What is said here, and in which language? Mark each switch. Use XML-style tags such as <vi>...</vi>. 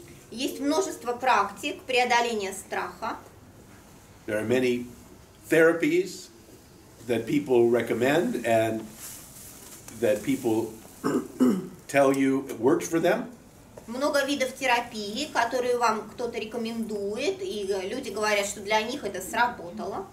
<ru>Есть множество практик преодоления страха.</ru> <en>There are many therapies that people recommend and that people tell you it works for them.</en> <ru>Много видов терапии, которые вам кто-то рекомендует, и люди говорят, что для них это сработало.</ru>